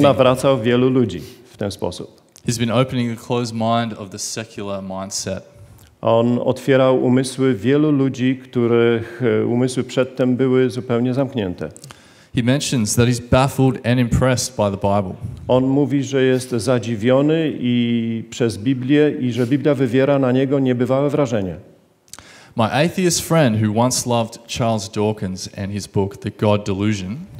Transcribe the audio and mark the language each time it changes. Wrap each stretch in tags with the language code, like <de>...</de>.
<pl>Nawracał wielu ludzi w ten sposób.</pl> <en>He's been opening the closed mind of the secular mindset.</en> <pl>On otwierał umysły wielu ludzi, których umysły przedtem były zupełnie zamknięte.</pl> <en>He mentions that he's baffled and impressed by the Bible.</en> <pl>On mówi, że jest zadziwiony i przez Biblię i że Biblia wywiera na niego niebywałe wrażenie.</pl> <en>My atheist friend who once loved Charles Dawkins and his book The God Delusion.</en>